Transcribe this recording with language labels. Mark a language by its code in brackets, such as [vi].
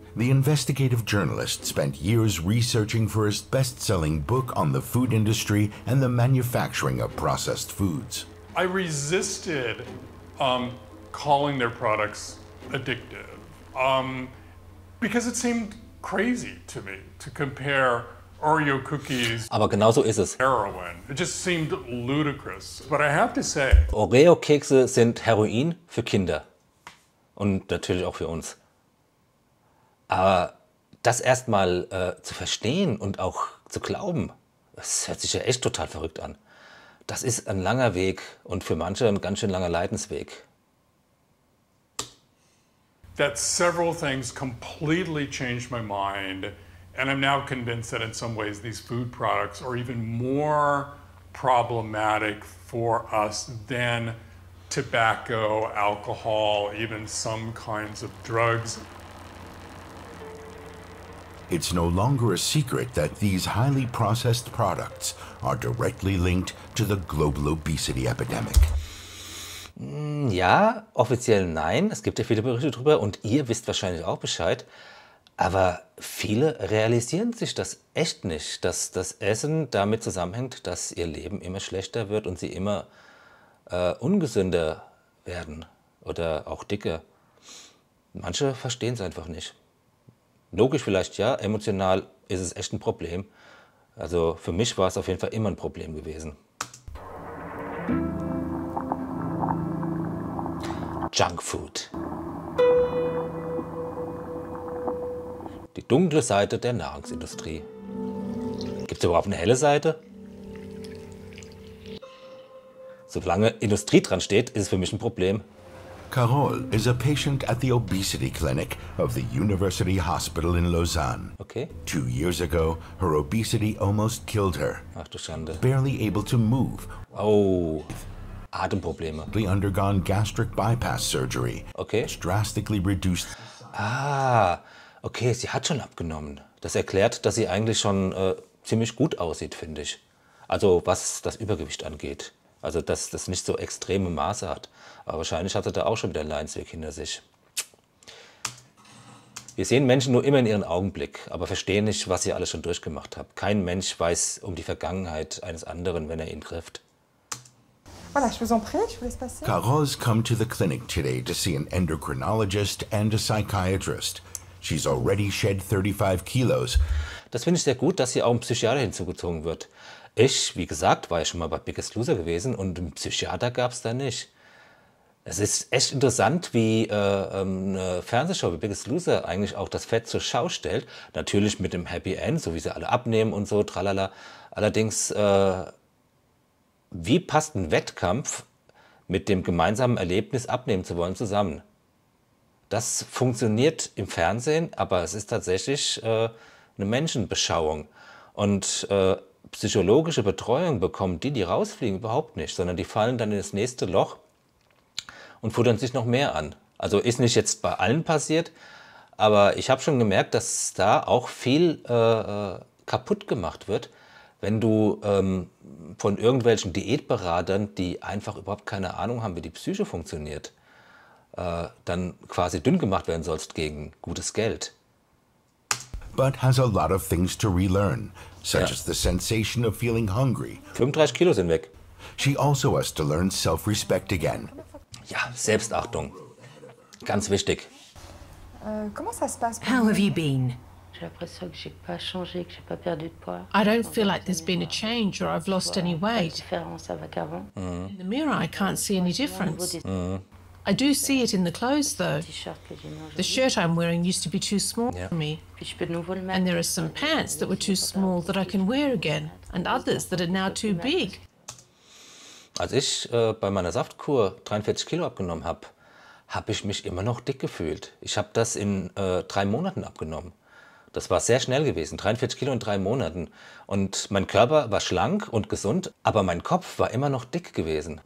[en] The investigative journalist spent years researching for his best-selling book on the food industry and the manufacturing of processed foods. I resisted calling their products addictive because it seemed crazy to me to compare Oreo cookies. [de] Aber genauso ist es. [en] Heroin. It just seemed ludicrous. But I have to say, [de] Oreo Kekse sind Heroin für Kinder und natürlich auch für uns. Aber das erstmal zu verstehen und auch zu glauben, das hört sich ja echt total verrückt an. Das ist ein langer Weg und für manche ein ganz schön langer Leidensweg. [en] That several things completely changed my mind. And I'm now convinced that in some ways these food products are even more problematic for us than tobacco, alcohol, even some kinds of drugs. It's no longer a secret that these highly processed products are directly linked to the global obesity epidemic. [de] Ja, offiziell nein. Es gibt ja viele Berichte darüber und ihr wisst wahrscheinlich auch Bescheid. Aber viele realisieren sich das echt nicht, dass das Essen damit zusammenhängt, dass ihr Leben immer schlechter wird und sie immer ungesünder werden oder auch dicker. Manche verstehen es einfach nicht. Logisch vielleicht ja, emotional ist es echt ein Problem. Also für mich war es auf jeden Fall immer ein Problem gewesen. Junkfood. Die dunkle Seite der Nahrungsindustrie. Gibt es überhaupt eine helle Seite? Solange Industrie dran steht, ist es für mich ein Problem. [en] Carole is a patient at the obesity clinic of the University Hospital in Lausanne. Okay. 2 years ago, her obesity almost killed her. [de] Ach du Schande. [en] Barely able to move. [de] Oh, Atemprobleme. [en] She undergone gastric bypass surgery. Okay. Which drastically reduced. [de] Ah, okay, sie hat schon abgenommen. Das erklärt, dass sie eigentlich schon ziemlich gut aussieht, finde ich. Also was das Übergewicht angeht. Also dass das nicht so extreme Maße hat. Aber wahrscheinlich hat sie da auch schon wieder einen Leidensweg hinter sich. Wir sehen Menschen nur immer in ihren Augenblick, aber verstehen nicht, was ihr alles schon durchgemacht habt. Kein Mensch weiß um die Vergangenheit eines anderen, wenn er ihn trifft. [fr] Voilà, je vous en prie, je vous laisse passer. [en] Carole's come to the clinic today to see an endocrinologist and a psychiatrist. She's already shed 35 kilos. [de] Das finde ich sehr gut, dass hier auch ein Psychiater hinzugezogen wird. Ich, wie gesagt, war ja schon mal bei Biggest Loser gewesen und einen Psychiater gab es da nicht. Es ist echt interessant, wie eine Fernsehshow wie Biggest Loser eigentlich auch das Fett zur Schau stellt. Natürlich mit dem Happy End, so wie sie alle abnehmen und so, tralala. Allerdings, wie passt ein Wettkampf mit dem gemeinsamen Erlebnis, abnehmen zu wollen, zusammen? Das funktioniert im Fernsehen, aber es ist tatsächlich eine Menschenbeschauung. Und psychologische Betreuung bekommen die, die rausfliegen, überhaupt nicht, sondern die fallen dann in das nächste Loch und futtern sich noch mehr an. Also ist nicht jetzt bei allen passiert, aber ich habe schon gemerkt, dass da auch viel kaputt gemacht wird, wenn du von irgendwelchen Diätberatern, die einfach überhaupt keine Ahnung haben, wie die Psyche funktioniert, dann quasi dünn gemacht werden sollst gegen gutes Geld. [en] But has a lot of things to relearn, such as the sensation of feeling hungry. [de] 35 Kilo sind weg. [en] She also has to learn self-respect again. [de] Ja, Selbstachtung. Ganz wichtig. [fr] Comment ça se passe? [en] How have you been? [fr] J'ai l'impression que j'ai pas changé, que j'ai pas perdu de poids. [en] I don't feel like there's been a change or I've lost any weight. [fr] Différence avec avant. [en] In the mirror, I can't see any difference. I do see it in the clothes, though. The shirt I'm wearing used to be too small for me. And there are some pants that were too small that I can wear again, and others that are now too big. [de] Als ich bei meiner Saftkur 43 Kilo abgenommen habe, habe ich mich immer noch dick gefühlt. Ich habe das in 3 Monaten abgenommen. Das war sehr schnell gewesen, 43 Kilo in 3 Monaten. Und mein Körper war schlank und gesund, aber mein Kopf war immer noch dick gewesen.